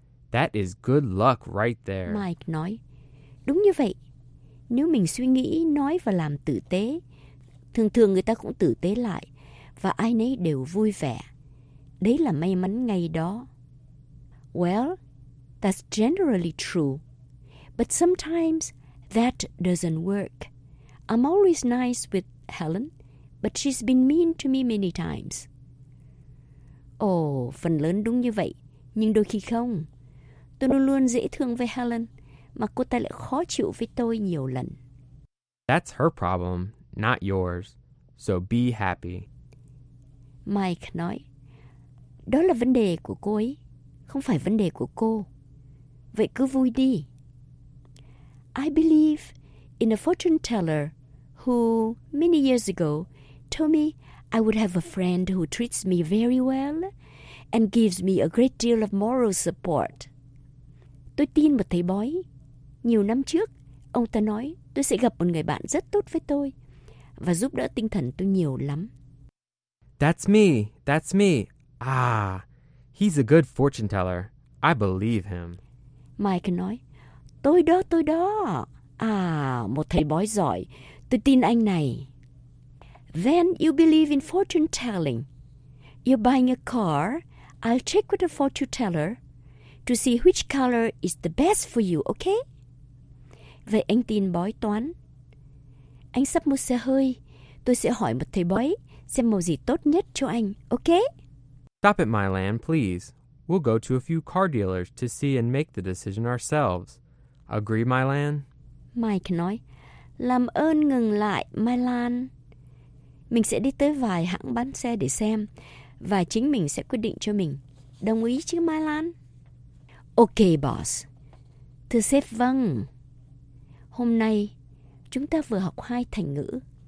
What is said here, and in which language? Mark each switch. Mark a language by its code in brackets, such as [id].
[en] That is good luck right there. [vi] Mike nói, đúng như vậy. Nếu mình suy nghĩ, nói và làm tử tế, thường thường người ta cũng tử tế lại và ai nấy đều vui vẻ. Đấy là may mắn ngày đó. [en] Well, that's generally true. But sometimes that doesn't work. I'm always nice with Helen, but she's been mean to me many times. [vi] Phần lớn đúng như vậy, nhưng đôi khi không. Tôi luôn luôn dễ thương với Helen, mà cô ta lại khó chịu với tôi nhiều lần. [en] That's her problem, not yours. So be happy. [vi] Mike nói, đó là vấn đề của cô ấy, không phải vấn đề của cô. Vậy cứ vui đi. [en] I believe in a fortune teller who, many years ago, told me I would have a friend who treats me very well and gives me a great deal of moral support. [vi] Tôi tin một thầy bói. Nhiều năm trước, ông ta nói tôi sẽ gặp một người bạn rất tốt với tôi và giúp đỡ tinh thần tôi nhiều lắm. [en] That's me. Ah, he's a good fortune teller. I believe him. [vi] Mike nói, tôi đó. Một thầy bói giỏi. Tôi tin anh này. [en] Then you believe in fortune telling. You're buying a car. I'll check with the fortune teller to see which color is the best for you, okay? [vi] Vậy anh tin bói toán. Anh sắp mua xe hơi. Tôi sẽ hỏi một thầy bói xem màu gì tốt nhất cho anh, okay? [en] Stop at my land, please. We'll go to a few car dealers to see and make the decision ourselves. Agree, my land? [vi] Mike nói, làm ơn ngừng lại, my land. Mình sẽ đi tới vài hãng bán xe để xem, và chính mình sẽ quyết định cho mình. Đồng ý chứ, Mylan? [en] Okay, boss. [vi] Thưa sếp Vân, hôm nay chúng ta vừa học hai thành ngữ.